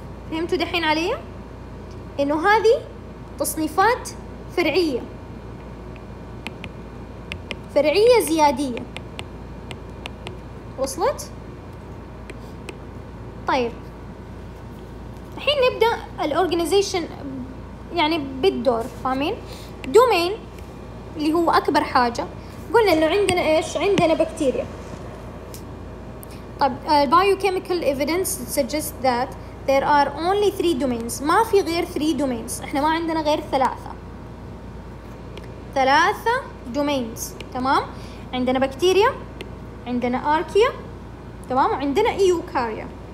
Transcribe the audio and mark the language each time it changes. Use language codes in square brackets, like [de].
[ar] فهمتوا دحين عليا انه هذه تصنيفات فرعية، فرعية زيادية، وصلت؟ طيب الحين نبدأ الorganization يعني بالدور، فاهمين؟ domain اللي هو اكبر حاجة، قلنا انه عندنا ايش؟ عندنا بكتيريا. طب [en] biochemical evidence suggests that there are only three domains. [ar] ما في غير [en] three domains، [ar] احنا ما عندنا غير ثلاثة domains، تمام؟ عندنا بكتيريا، عندنا أركيا، تمام؟ وعندنا ايوكاريا.